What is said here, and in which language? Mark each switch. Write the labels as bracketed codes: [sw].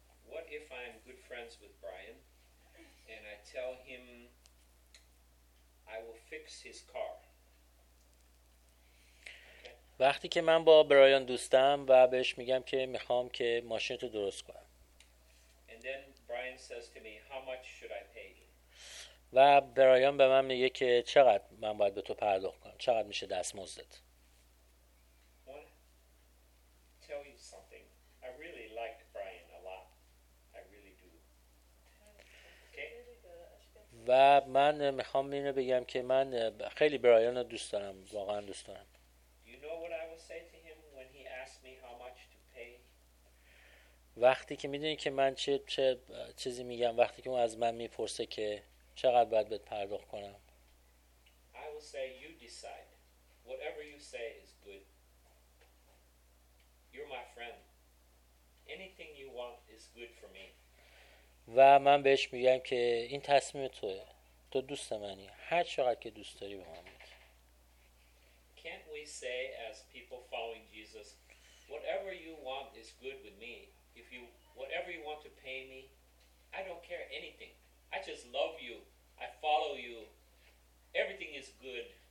[en] What if I'm good friends with Brian and I tell him I will fix his car? [fa] وقتی که من با برایان دوستم و بهش میگم که میخوام که ماشین تو درست کنم، [en] Brian says to me, how much should I pay? [fa] و برایان به من میگه که چقدر من باید به تو پرداخت کنم، چقدر میشه دستمزدت؟ [en] Tell you something. I really like Brian a lot. I really do. Okay. [fa] و من میخوام اینو بگم که من خیلی برایان رو دوست دارم، واقعا دوست دارم. [en] You know what I would say to him when he asked me how much? [fa] وقتی که میدونی که من چه چیزی میگم وقتی که اون از من میپرسه که چقدر باید بهت پرداخت کنم، [en] I will say you decide. Whatever you say is good. You're my friend. Anything you want is good for me. [fa] و من بهش میگم که این تصمیم توه، تو دوست منی، هر چقدر که دوست داری به من بگو. [en] Can't we say as people following Jesus, whatever you want is good with me. If you whatever you want to pay me, I don't care anything. I just love you. I follow you. Everything is good.